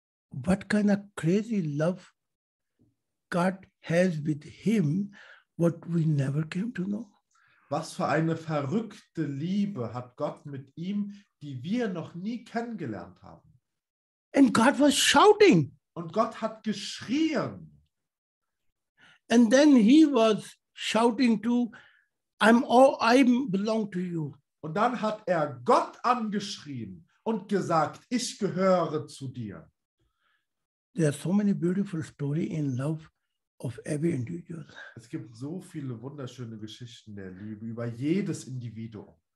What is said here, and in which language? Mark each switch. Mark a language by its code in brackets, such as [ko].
[en] What kind of crazy love God has with him, what we never came to know. [de] Was für eine verrückte Liebe hat Gott mit ihm, die wir noch nie kennengelernt haben. [en] And God was shouting. [de] Und Gott hat geschrien. [en] And then he was shouting to I belong to you. [de] Und dann hat er Gott angeschrien und gesagt, ich gehöre zu dir. [en] There are so many beautiful stories in love of every individual. [de] Es gibt so viele wunderschöne Geschichten der Liebe über jedes Individuum.